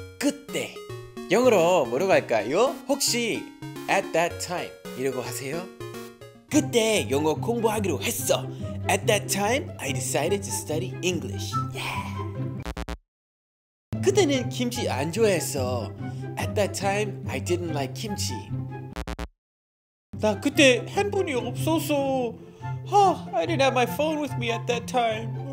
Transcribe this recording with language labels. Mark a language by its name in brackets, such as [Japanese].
[Korean] 그때 영어로 뭐로 갈까요? 혹시 [English] at that time [Korean] 이러고 하세요? 그때 영어 공부하기로 했어. [English] At that time, I decided to study English. Yeah. [Korean] 그때는 김치 안 좋아했어. [English] At that time, I didn't like kimchi. [Korean] 나 그때 핸드폰이 없었어. [English] Huh, I didn't have my phone with me at that time.